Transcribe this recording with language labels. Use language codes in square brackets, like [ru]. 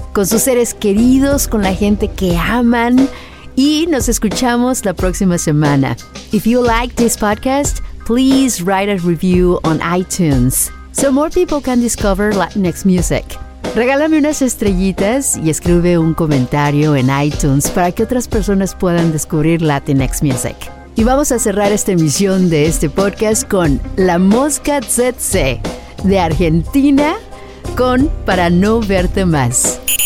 [es] Con sus seres queridos, con la gente que aman. Y nos escuchamos la próxima semana. [en] If you like this podcast, please write a review on iTunes, so more people can discover Latinx music. [es] Regálame unas estrellitas y escribe un comentario en iTunes para que otras personas puedan descubrir Latinx music. Y vamos a cerrar esta emisión de este podcast con La Mosca Tsetse de Argentina con Para No Verte Más.